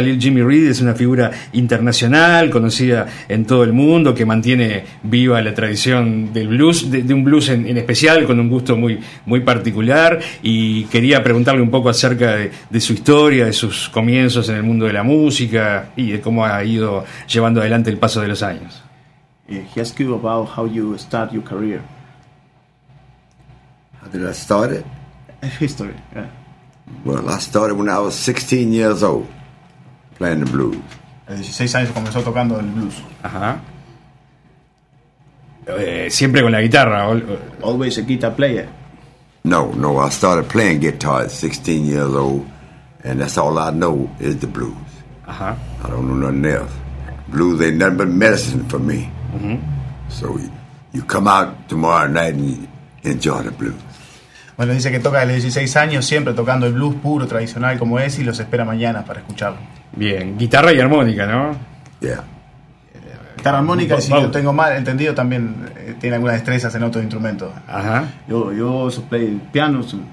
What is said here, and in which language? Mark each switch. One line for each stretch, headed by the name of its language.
Spanish: Lil Jimmy Reed es una figura internacional, conocida en todo el mundo, que mantiene viva la tradición del blues, de un blues en especial, con un gusto muy, muy particular. Y quería preguntarle un poco acerca de su historia, de sus comienzos en el mundo de la música y de cómo ha ido llevando adelante el paso de los años.
English: He asked you about how you start your career. How did I start it? History, yeah. Well, I started when I was 16 years old, playing the blues.
Spanish: A 16 años comenzó tocando el blues. Ajá. Siempre con la guitarra.
English: Always a guitar player. No, I started playing guitar at 16 years old, and that's all I know is the blues. Ajá. I don't know nothing else. Blues ain't nothing but medicine for me. Mm-hmm. So you come out tomorrow night and enjoy the blues.
Spanish: Bueno, dice que toca desde 16 años, siempre tocando el blues puro, tradicional como es, y los espera mañana para escucharlo. Bien, guitarra y armónica, ¿no?
English: Yeah.
Spanish: Guitarra armónica, lo tengo mal entendido, también tiene algunas destrezas en otros instrumentos. Ajá.
English: Yo also play piano.